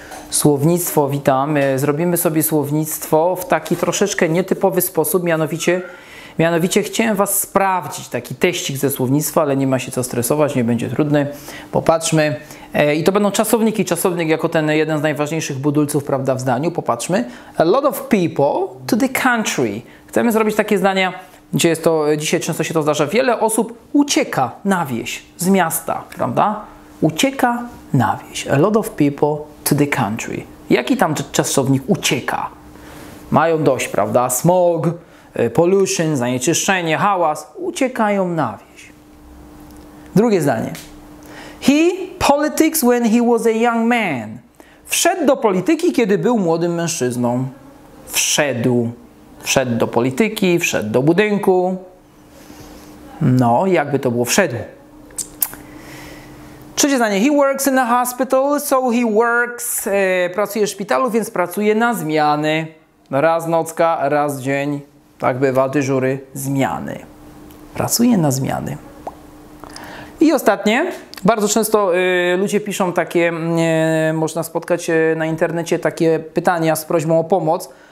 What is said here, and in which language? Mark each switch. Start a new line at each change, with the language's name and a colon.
Polish: Słownictwo, witam. Zrobimy sobie słownictwo w taki troszeczkę nietypowy sposób, mianowicie chciałem Was sprawdzić, taki teścik ze słownictwa, ale nie ma się co stresować, nie będzie trudny. Popatrzmy. I to będą czasowniki. Czasownik jako ten jeden z najważniejszych budulców, prawda, w zdaniu. Popatrzmy.
English: A lot of people to the country.
Polish: Chcemy zrobić takie zdania, gdzie jest to, dzisiaj często się to zdarza, wiele osób ucieka na wieś, z miasta, prawda? Ucieka na wieś.
English: A lot of people to the country.
Polish: Jaki tam czasownik ucieka? Mają dość, prawda? Smog, pollution, zanieczyszczenie, hałas. Uciekają na wieś. Drugie zdanie.
English: He politics when he was a young man.
Polish: Wszedł do polityki, kiedy był młodym mężczyzną. Wszedł. Wszedł do polityki, wszedł do budynku. No, jakby to było wszedł. Trzecie zdanie.
English: He works in a hospital, so he works.
Polish: Pracuje w szpitalu, więc pracuje na zmiany. Raz nocka, raz dzień. Tak bywa, dyżury. Zmiany. Pracuje na zmiany. I ostatnie. Bardzo często ludzie piszą takie, można spotkać na internecie takie pytania z prośbą o pomoc.